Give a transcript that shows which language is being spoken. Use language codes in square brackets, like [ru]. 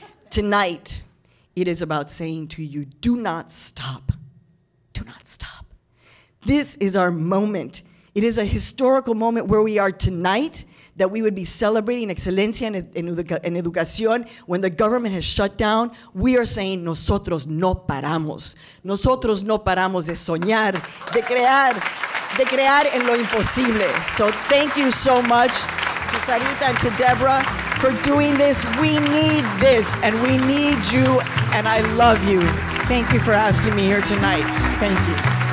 [en] Tonight, it is about saying to you, do not stop. Do not stop. This is our moment. It is a historical moment where we are tonight, that we would be celebrating [es] excelencia en educación [en] when the government has shut down. We are saying, [es] nosotros no paramos. Nosotros no paramos de soñar, de crear en lo imposible. [en] So thank you so much to Sarita and to Deborah for doing this. We need this, and we need you, and I love you. Thank you for asking me here tonight. Thank you.